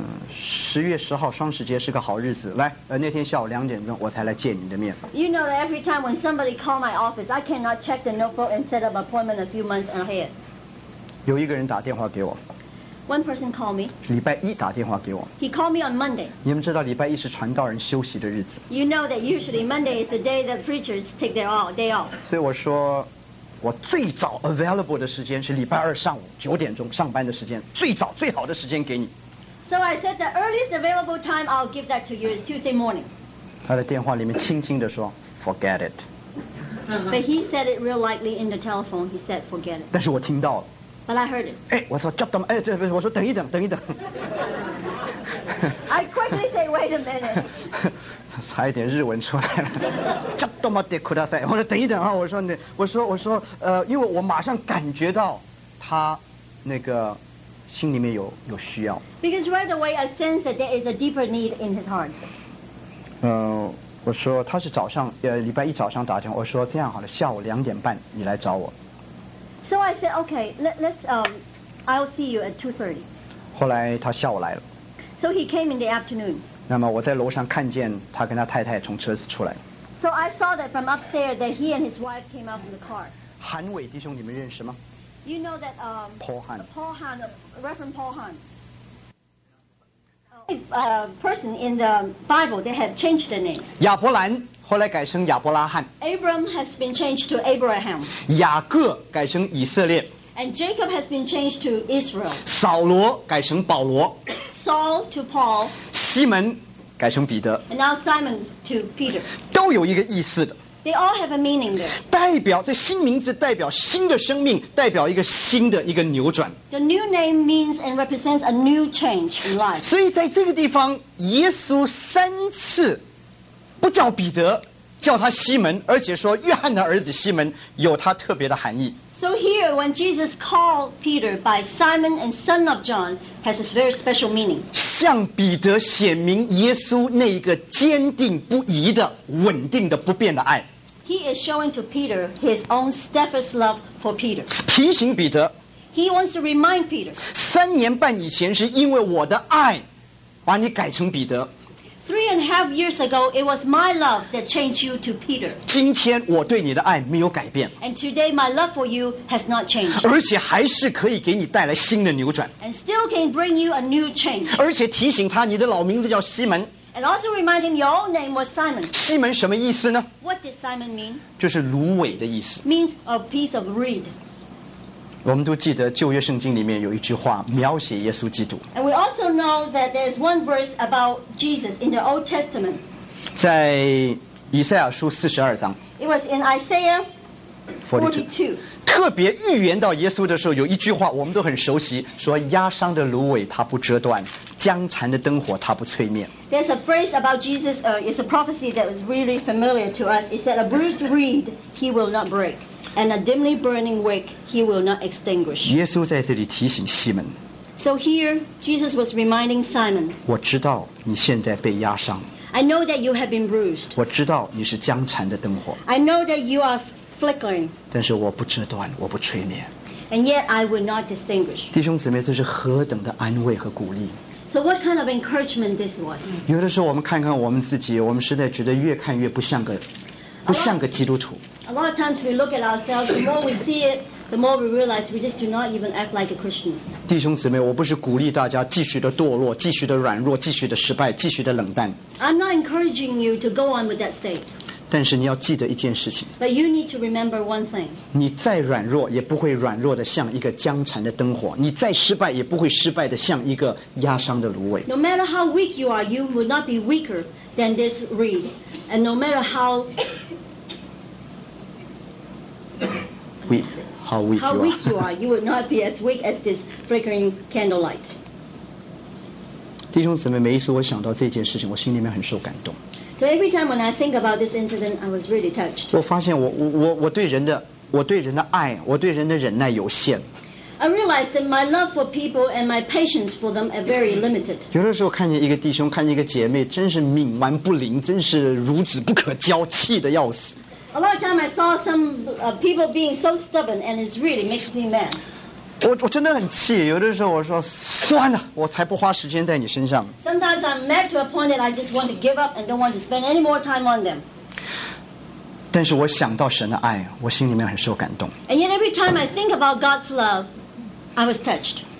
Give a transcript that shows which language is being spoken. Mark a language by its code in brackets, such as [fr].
[zh] 十月十号双十节是个好日子，来，那天下午两点钟我才来见你的面。 [en] You know that every time when somebody call my office, I cannot check the notebook and set up an appointment a few months ahead. [zh] 有一个人打电话给我。 [en] One person called me. [zh] 礼拜一打电话给我。 [en] He called me on Monday. [zh] 你们知道礼拜一是传道人休息的日子。 [en] You know that usually Monday is the day that preachers take their day off. [zh] 所以我说，我最早 available 的时间是礼拜二上午九点钟上班的时间，最早最好的时间给你。 [en] So I said the earliest available time I'll give that to you is Tuesday morning. [zh] 他在电话里面轻轻地说 ， [en] Forget it. But he said it real lightly in the telephone. He said, "Forget it." [zh] 但是我听到了。 [en] But I heard it. [zh] 哎，我说 [en] Just a minute. [zh] 哎，这我说等一等，等一等。 [en] I quickly say, "Wait a minute." [zh] 差一点日文出来了，这多么的苦大塞！我说等一等啊，我说你，我说，因为我马上感觉到他那个心里面有需要。 [en] Because right away I sense that there is a deeper need in his heart. [zh] 我说他是早上，礼拜一早上打电话，我说这样好了，下午两点半你来找我。 [en] So I said, okay, I'll see you at 2:30. [zh] 后来他下午来了。 [en] So he came in the afternoon. [zh] 那么我在楼上看见他跟他太太从车子出来。 [en] So I saw that from upstairs that he and his wife came out from the car. [zh] 韩伟弟兄你们认识吗？ [en] You know that Paul Han, Paul Han, Reverend Paul Han, person in the Bible, they have changed the names. [zh] 亚伯兰后来改成亚伯拉罕。 [en] Abram has been changed to Abraham. [zh] 雅各改成以色列。 [en] And Jacob has been changed to Israel. [zh] 扫罗改成保罗。 [en] Saul to Paul. [zh] 西门改成彼得。 [en] And now Simon to Peter. [zh] 都有一个意思的。 [en] They all have a meaning there. [zh] 代表这新名字代表新的生命，代表一个新的一个扭转。 [en] The new name means and represents a new change in life. [zh] 所以在这个地方，耶稣三次不叫彼得，叫他西门，而且说约翰的儿子西门有他特别的含义。 [en] So here, when Jesus called Peter by Simon and son of John, has this very special meaning. [zh] 向彼得显明耶稣那一个坚定不移的、稳定的、不变的爱。 [en] He is showing to Peter his own steadfast love for Peter. [zh] 提醒彼得。 [en] He wants to remind Peter. [zh] 三年半以前是因为我的爱，把你改成彼得。 [en] 3.5 years ago, it was my love that changed you to Peter. [zh] 今天我对你的爱没有改变。 [en] And today my love for you has not changed. [zh] 而且还是可以给你带来新的扭转。 [en] And still can bring you a new change. [zh] 而且提醒他，你的老名字叫西门。 [en] And also remind him your old name was Simon. [zh] 西门什么意思呢？ [en] What did Simon mean? [zh] 就是芦苇的意思。 [en] Means a piece of reed. [zh] 我们都记得旧约圣经里面有一句话描写耶稣基督。 [en] And we also know that there's one verse about Jesus in the Old Testament. [zh] 在以赛亚书42章。 [en] It was in Isaiah 42. [zh] 特别预言到耶稣的时候，有一句话我们都很熟悉，说压伤的芦苇它不折断，僵残的灯火它不吹灭。 [en] There's a phrase about Jesus. It's a prophecy that was really familiar to us. It said, "A bruised reed he will not break." And a dimly burning wick he will not extinguish. [zh] 耶稣在这里提醒西门。 [en] So here, Jesus was reminding Simon. [zh] 我知道你现在被压伤。 [en] I know that you have been bruised. [zh] 我知道你是僵残的灯火。 [en] I know that you are flickering. [zh] 但是我不折断，我不吹灭。 [en] And yet I will not extinguish. [zh] 弟兄姊妹，这是何等的安慰和鼓励。 [en] So what kind of encouragement this was? [zh] 有的时候我们看看我们自己，我们实在觉得越看越不像个基督徒。 [en] A lot of times we look at ourselves, the more we see it, the more we realize we just do not even act like Christians. [zh] 弟兄姊妹，我不是鼓励大家继续的堕落，继续的软弱，继续的失败，继续的冷淡。 [en] I'm not encouraging you to go on with that state. [zh] 但是你要记得一件事情。 [en] But you need to remember one thing. [zh] 你再软弱也不会软弱的像一个僵残的灯火，你再失败也不会失败的像一个压伤的芦苇。 [en] No matter how weak you are, you will not be weaker than this reed. And no matter how How weak you are, you would not be as weak as this flickering candlelight. [zh] 弟兄姊妹，每一次我想到这件事情，我心里面很受感动。 [en] So every time when I think about this incident, I was really touched. [zh] 我发现我对人的爱，我对人的忍耐有限。 [en] I realized that my love for people and my patience for them are very limited. [zh] 有的时候看见一个弟兄，看见一个姐妹，真是冥顽不灵，真是孺子不可教，气得要死。 [en] A lot of time I saw some people being so stubborn, and it really makes me mad. [zh] 我真的很气，有的时候我说算了，我才不花时间在你身上。 [en] Sometimes I'm mad to a point that I just want to give up and don't want to spend any more time on them. [zh] 但是我想到神的爱，我心里面很受感动。 [en] And yet every time I think about God's love, I was touched.